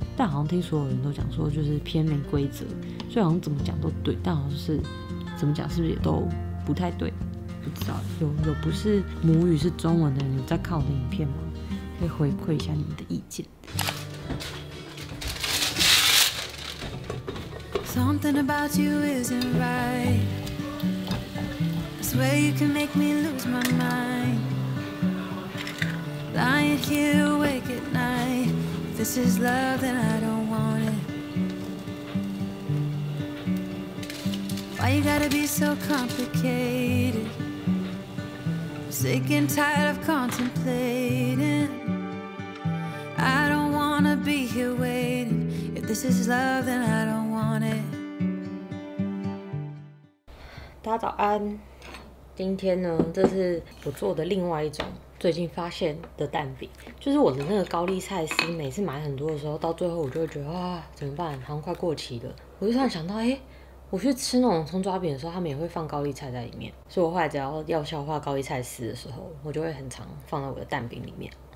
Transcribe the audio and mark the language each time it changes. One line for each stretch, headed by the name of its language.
Chinese: 但好像听所有人都讲说，就是偏没规则，所以好像怎么讲都对，但好像是怎么讲是不是也都不太对，不知道。有不是母语是中文的人有在看我的影片吗？可以回馈一下你们的意见。
English: Something about you isn't right. I swear you can make me lose my mind. Lying here awake at night. If this is love, then I don't want it. Why you gotta be so complicated? Sick and tired of contemplating. I don't wanna be here waiting. If this is love, then I don't want it.
Chinese: 大家早安，今天呢，这是我做的另外一种最近发现的蛋饼，就是我的那个高丽菜丝，每次买很多的时候，到最后我就会觉得啊，怎么办，好像快过期了。我就突然想到，欸，我去吃那种葱抓饼的时候，他们也会放高丽菜在里面，所以我后来只要要消化高丽菜丝的时候，我就会很常放在我的蛋饼里面。